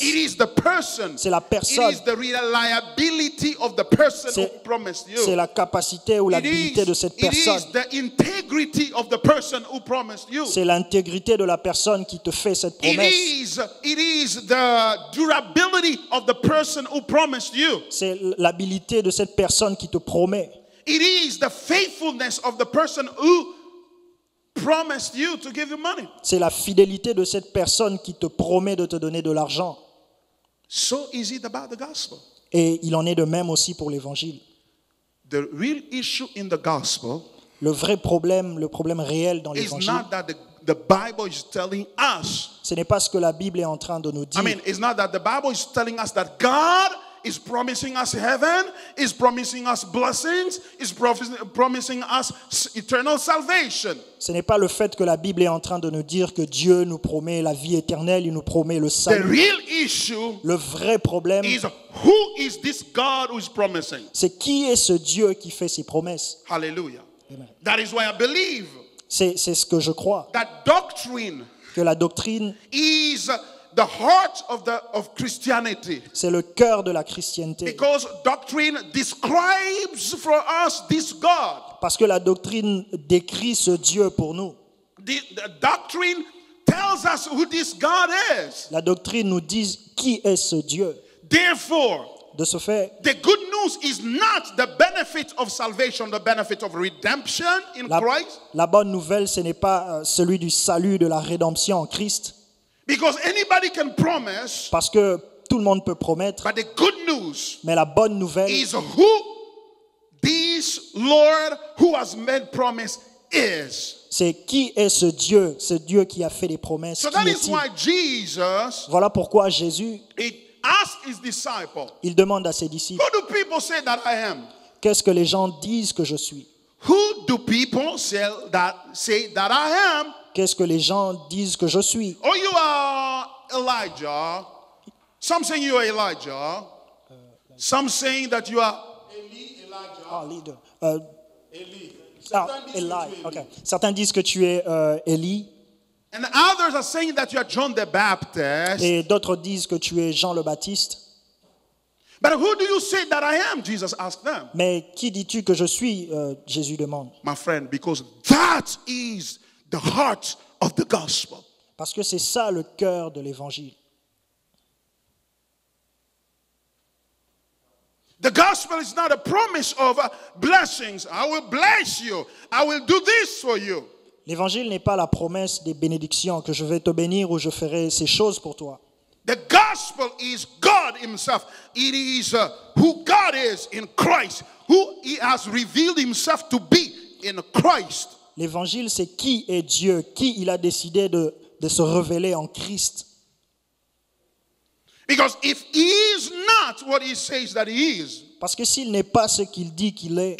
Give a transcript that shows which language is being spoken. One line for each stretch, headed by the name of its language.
English: It is the person.
French: C'est la personne.
English: It is the reliability of the person who promised you.
French: C'est la capacité ou l'habilité de cette personne.
English: It is the integrity of the person who promised you.
French: C'est l'intégrité de la personne qui te fait cette promesse.
English: It is the durability of the person who promised you.
French: C'est l'habilité de cette personne qui te promet.
English: It is the faithfulness of the person who promised you to give you money.
French: C'est la fidélité de cette personne qui te promet de te donner de l'argent.
English: So is it about the gospel?
French: Et il en est de même aussi pour l'évangile.
English: The real issue in the gospel,
French: le vrai problème, le problème réel dans l'évangile,
English: is not that the Bible is telling us.
French: Ce n'est pas ce que la Bible est en train de nous dire.
English: I mean, it's not that the Bible is telling us that God is promising us heaven, is promising us blessings, is promising us eternal salvation.
French: Ce n'est pas le fait que la Bible est en train de nous dire que Dieu nous promet la vie éternelle, il nous promet le salut.
English: The real issue,
French: le vrai problème,
English: is who is this God who is promising?
French: C'est qui est ce Dieu qui fait ses promesses?
English: Hallelujah. Amen. That is why I believe.
French: C'est ce que je crois.
English: That doctrine,
French: que la doctrine,
English: is the heart of Christianity.
French: C'est le cœur de la christianité.
English: Because doctrine describes for us this God.
French: Parce que la doctrine décrit ce Dieu pour nous.
English: The doctrine tells us who this God is.
French: La doctrine nous dit qui est ce Dieu.
English: Therefore,
French: de ce fait,
English: the good news is not the benefit of salvation, the benefit of redemption in Christ.
French: La bonne nouvelle, ce n'est pas celui du salut, de la rédemption en Christ.
English: Because anybody can promise.
French: Parce que tout le monde peut promettre.
English: But the good news.
French: Mais la bonne nouvelle.
English: Is who this Lord who has made promise is.
French: C'est qui est ce Dieu qui a fait les promesses.
English: So that is why Jesus.
French: Voilà pourquoi Jésus.
English: He asked his disciples.
French: Il demande à ses disciples.
English: Who do people say that I am?
French: Qu'est-ce que les gens disent que je suis?
English: Who do people say that I am?
French: Qu'est-ce que les gens disent que je suis?
English: Oh, you are Elijah. Some saying you are Elijah. Some saying that you are Eli, Elijah. Ah, leader. Eli.
French: Eli. Okay. Certains disent que tu es Eli.
English: And others are saying that you are John the Baptist.
French: Et d'autres disent que tu es Jean le Baptiste.
English: But who do you say that I am? Jesus asked them.
French: Mais qui dis-tu que je suis? Jésus demande.
English: My friend, because that is the heart of the gospel.
French: Parce que c'est ça le cœur de l'évangile.
English: The gospel is not a promise of blessings. I will bless you. I will do this for you.
French: L'évangile n'est pas la promesse des bénédictions que je vais te bénir ou je ferai ces choses pour toi.
English: The gospel is God himself. It is who God is in Christ, who he has revealed himself to be in Christ.
French: L'évangile c'est qui est Dieu, qui il a décidé de se révéler en Christ.
English: Because if he is not what he says that he is,
French: parce que s'il n'est pas ce qu'il dit qu'il est,